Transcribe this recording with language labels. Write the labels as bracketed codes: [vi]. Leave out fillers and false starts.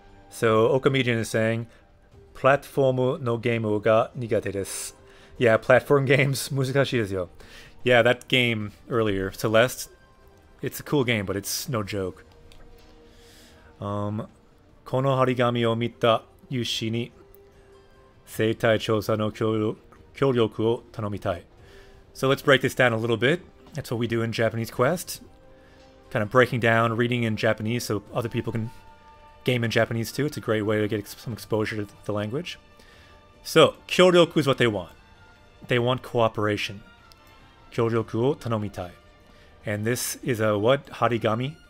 [en] So Okamedian is saying, [ja] "Platformu no game ga nigate desu." [en] Yeah, platform games, [ja] muzukashii desu yo. [en] Yeah, that game earlier, Celeste. It's a cool game, but it's no joke. [ja] この張り紙を見た有志に生態調査の協力を頼みたい。 [en] So let's break this down a little bit. That's what we do in Japanese Quest. Kind of breaking down, reading in Japanese so other people can game in Japanese too. It's a great way to get some exposure to the language. So, 協力 is what they want. They want cooperation. [ja] 協力を頼みたい。 [en] And this is a what? [ja] 張り紙?